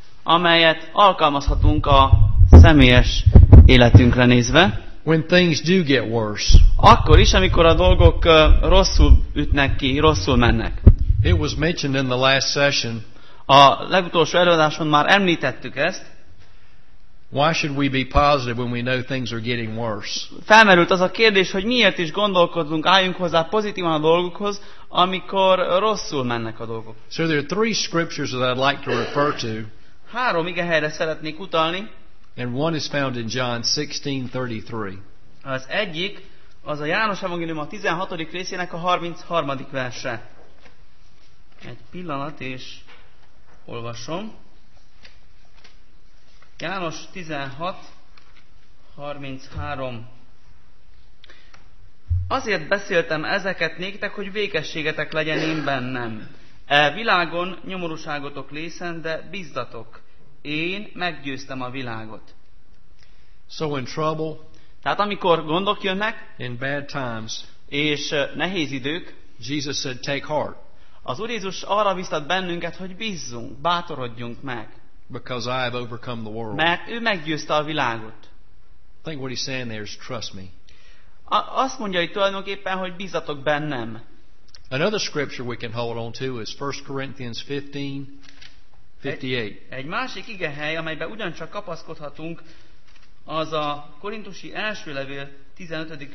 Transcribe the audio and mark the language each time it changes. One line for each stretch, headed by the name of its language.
Hungarian: Amelyet alkalmazhatunk a személyes életünkre nézve.
English: When things do get worse.
Hungarian: Akkor is, amikor a dolgok rosszul ütnek ki, rosszul mennek.
English: It was mentioned in the last session.
Hungarian: A legutolsó előadáson már említettük ezt.
English: Why should we be positive when we know things are getting worse?
Hungarian: Felmerült az a kérdés, hogy miért is gondolkodunk, álljunk hozzá pozitívan a dolgokhoz, amikor rosszul mennek a dolgok.
English: So there are three scriptures that I'd like to refer to.
Hungarian: Három igehelyre szeretnék utalni.
English: And one is found in John 16:33.
Hungarian: Az egyik, az a János Evangélium a 16. részének a 33. verse. Egy pillanat, és olvasom. János 16:33. Azért beszéltem ezeket néktek, hogy békességetek legyen én bennem. E világon nyomorúságotok lészen, de bízzatok. Én meggyőztem a világot.
English: So in trouble,
Hungarian: tehát amikor gondok jönnek,
English: in bad times,
Hungarian: és nehéz idők,
English: Jesus said, take heart.
Hungarian: Az Úr Jézus arra biztat bennünket, hogy bízzunk, bátorodjunk meg.
English: Because I have overcome the world.
Hungarian: Mert ő meggyőzte a világot.
English: I think what he's saying there is trust me.
Hungarian: Azt mondja itt tulajdonképpen, hogy bízzatok bennem.
English: Another scripture we can hold on to is 1 Corinthians 15.
Hungarian: Egy másik igehely, amelyben ugyancsak kapaszkodhatunk, az a Korintusi első levél 15.